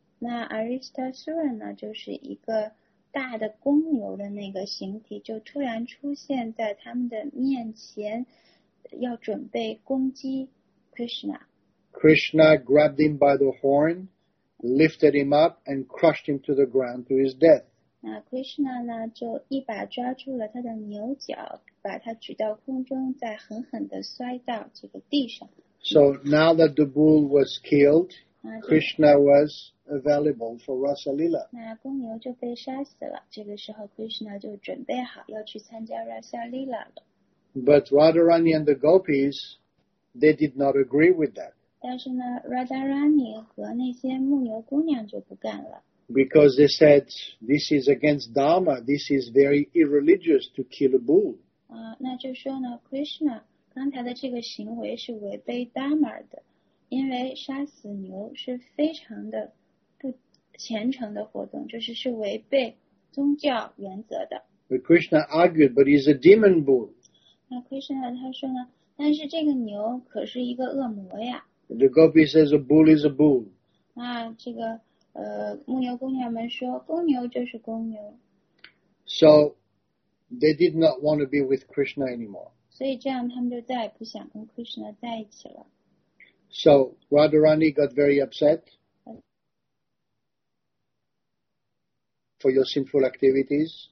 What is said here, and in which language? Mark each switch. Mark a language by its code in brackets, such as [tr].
[zh] 那 Aristasura 呢就是一个大的公牛的那个形体就突然出现在他们的面前要准备攻击Krishna. [en] Krishna grabbed him by the horn, lifted him up, and crushed him to the ground to his death. [zh] 那 Krishna 呢，就一把抓住了他的牛角，把他举到空中，再狠狠地摔到这个地上。 [en] So now that the bull was killed, Krishna was available for Rasa Lila. [zh] 那公牛就被杀死了，这个时候 Krishna 就准备好要去参加 Rasa Lila 了。 [en] But Radharani and the gopis, they did not agree with that. [zh] 但是呢 ,Radharani 和那些牧牛姑娘就不干了。 [en] Because they said, this is against Dharma, this is very irreligious to kill a bull. [zh] 那就说呢 ,Krishna, 刚才的这个行为是违背 Dharma 的。因为杀死牛是非常的不虔诚的活动，就是是违背宗教原则的。 [en] But Krishna argued, but he's a demon bull. [zh] 那 Krishna 他说呢，但是这个牛可是一个恶魔呀。 [en] The gopi says a bull is a bull. [zh] 那这个牧牛姑娘们说，公牛就是公牛。 [en] So they did not want to be with Krishna anymore. [zh] 所以这样他们就再也不想跟 Krishna 在一起了。 [en] So Radharani got very upset for your sinful activities.